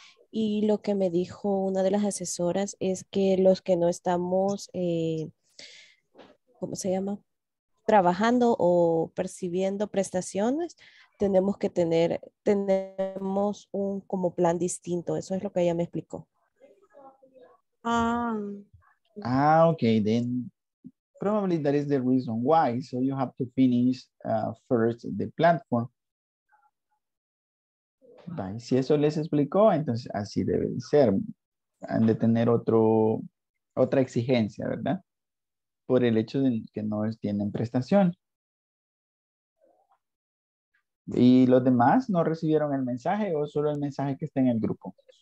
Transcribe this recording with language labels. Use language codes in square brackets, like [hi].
[es] Y lo que me dijo una de las asesoras es que los que no estamos, ¿cómo se llama? Trabajando o percibiendo prestaciones, tenemos que tener, tenemos un como plan distinto. Eso es lo que ella me explicó. [en] Ok, then probably that is the reason why. So you have to finish first the platform. Bye. [es] Si eso les explicó, entonces así debe ser. Han de tener otra exigencia, ¿verdad? Por el hecho de que no tienen prestación. ¿Y los demás no recibieron el mensaje o solo el mensaje que está en el grupo?